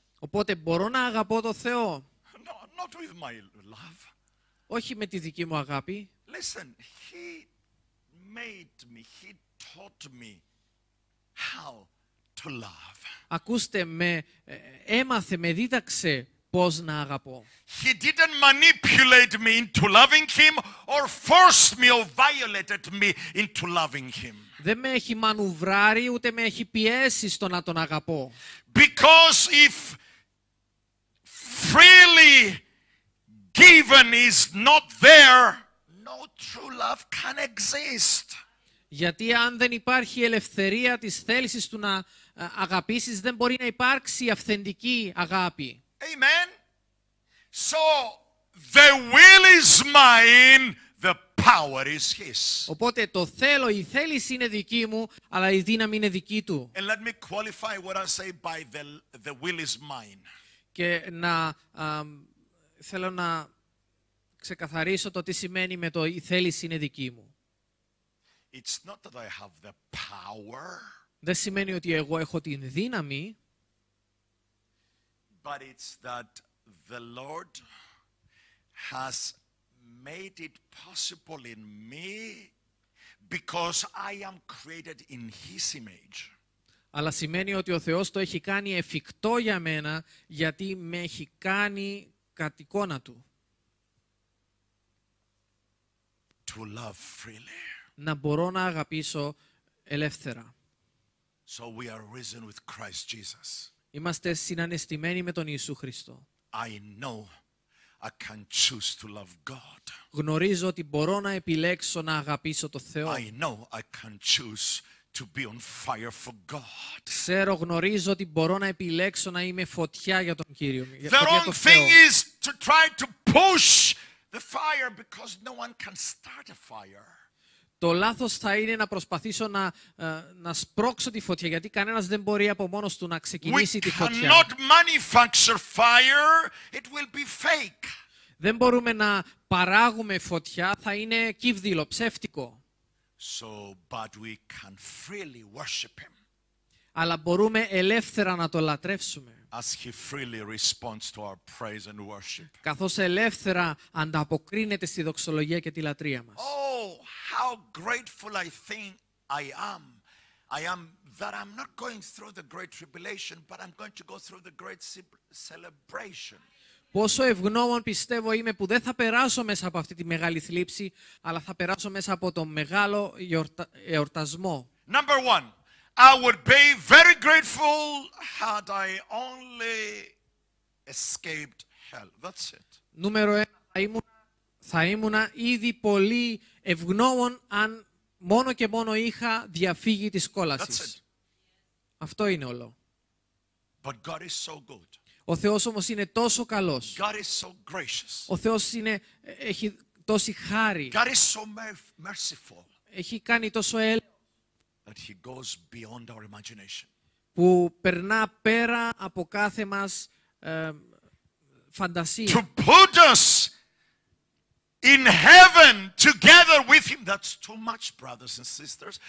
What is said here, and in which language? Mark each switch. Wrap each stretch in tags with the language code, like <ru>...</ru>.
<el>Οπότε μπορώ να αγαπώ τον Θεό?</el> <en>No, not with my love.</en> <el>Όχι με τη δική μου αγάπη.</el> <en>Listen, he made me, he taught me how to love.</en> <el>Ακούστε με, έμαθε, με δίδαξε πώς να αγαπώ.</el> <en>He didn't manipulate me into loving him or forced me or violated me into loving him.</en> <el>Δεν με έχει μανουβράρει ούτε με έχει πιέσει στο να τον αγαπώ.</el> <en>Because if freely given is not there, no true love can exist.</en> <el>Γιατί αν δεν υπάρχει ελευθερία της θέλησης του να αγαπήσεις, δεν μπορεί να υπάρξει αυθεντική αγάπη.</el> <en>Amen. So the will is mine, the power is his.</en> <el>Οπότε το θέλω, η θέληση είναι δική μου, αλλά η δύναμη είναι δική του.</el> <en>And let me qualify what I say by the will is mine.</en> <el>Και να θέλω να ξεκαθαρίσω το τι σημαίνει με το η θέληση είναι δική μου.</el> <en>It's not that I have the power.</en> <el>Δεν σημαίνει ότι εγώ έχω την δύναμη.</el> <en>But it's that the Lord has made it possible in me because I am created in His image.</en> <el>Αλλά σημαίνει ότι ο Θεός το έχει κάνει εφικτό για μένα γιατί με έχει κάνει κατ' εικόνα Του.</el> <en>To love freely.</en> <el>Να μπορώ να αγαπήσω ελεύθερα.</el> <en>So we are risen with Christ Jesus.</en> <el>Είμαστε συνανεστημένοι με τον Ιησού Χριστό.</el> <en>I know I can choose to love God.</en> <el>Γνωρίζω ότι μπορώ να επιλέξω να αγαπήσω τον Θεό.</el> <en>I know I can choose to be on fire for God.</en> <el>Ξέρω, γνωρίζω ότι μπορώ να επιλέξω να είμαι φωτιά για τον Κύριο.</el> <en>The wrong thing is to try to push the fire because no one can start a fire.</en> <el>Το λάθος θα είναι να προσπαθήσω να σπρώξω τη φωτιά, γιατί κανένας δεν μπορεί από μόνος του να ξεκινήσει</el> <en>We</en> <el>τη φωτιά.</el> <en>Cannot manufacture fire, it will be fake.</en> <el>Δεν μπορούμε να παράγουμε φωτιά, θα είναι κύβδιλο, ψεύτικο.</el> <en>So, but we can freely worship him.</en> <el>Αλλά μπορούμε ελεύθερα να το λατρεύσουμε.</el> <en>As he freely responds to our praise and worship.</en> <el>Καθώς ελεύθερα ανταποκρίνεται στη δοξολογία και τη λατρεία μας.</el> <en>Oh, how grateful I think I am. I am that I'm not going through the great tribulation, but I'm going to go through the great celebration.</en> <el>Πόσο ευγνώμων πιστεύω είμαι που δεν θα περάσω μέσα από αυτή τη μεγάλη θλίψη, αλλά θα περάσω μέσα από το μεγάλο εορτασμό.</el> <en>Number one. I would be very grateful had I only escaped hell. That's it.</en> <el>Νούμερο ένα, θα ήμουνα ήδη πολύ ευγνώμων αν μόνο και μόνο είχα διαφύγει της κόλασης.</el> <en>That's it.</en> <el>Αυτό είναι όλο.</el> <en>But God is so good.</en> <el>Ο Θεός όμως είναι τόσο καλός.</el> <en>God is so gracious.</en> <el>Ο Θεός είναι, έχει τόση χάρη.</el> <en>God is so merciful.</en> <el>Έχει κάνει τόσο έλεος.</el> <en>That he goes beyond our imagination.</en> <el>Που περνά πέρα από κάθε μας φαντασία.</el> <en>To put us in heaven together with him. That's too much, brothers and sisters.</en>